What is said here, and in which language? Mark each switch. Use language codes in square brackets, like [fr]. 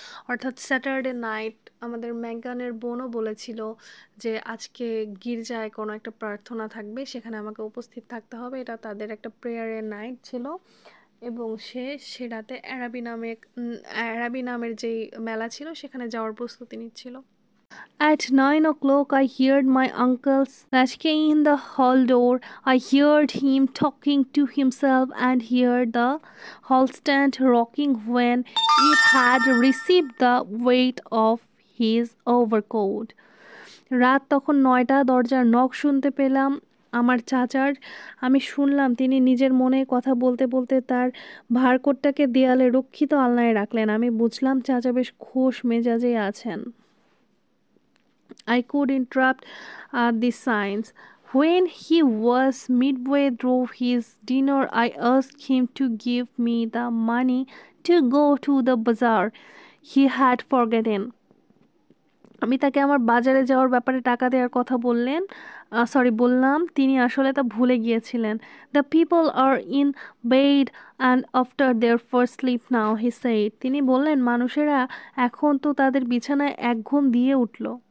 [bn] অর্থাৎ Saturday night আমাদের ম্যাগানের বোনও বলেছিল যে আজকে গির্জায় কোনো একটা প্রার্থনা থাকবে, সেখানে আমাকে উপস্থিত থাকতে হবে। এটা তাদের একটা প্রেয়ারের নাইট ছিল এবং সে রাতে অ্যারাবি নামের যেই মেলা ছিল সেখানে যাওয়ার প্রস্তুতি নিচ্ছিল। [en] At 9 o'clock, I heard my uncle Snatchke in the hall door. I heard him talking to himself and heard the hall stand rocking when it had received the weight of his overcoat. [bn] রাত তখন 9টা, দরজার knock শুনতে পেলাম আমার চাচার। আমি শুনলাম তিনি নিজের মনে কথা বলতে বলতে তার ভারকোটটাকে দেয়ালে রক্ষিত আলনায় রাখলেন। আমি বুঝলাম চাচা বেশ খোশ মেজাজেই আছেন। [en] I could interrupt the signs. When he was midway through his dinner, I asked him to give me the money to go to the bazaar. He had forgotten. [bn] আমি তাকে আমার বাজারে যাওয়ার ব্যাপারে টাকা দেওয়ার কথা বললেন সরি বললাম তিনি আসলে তা ভুলে গিয়েছিলেন। [en] The people are in bed and after their first sleep now, he said. [bn] তিনি বললেন, মানুষেরা এখন তো তাদের বিছানায় এক ঘুম দিয়ে উঠল।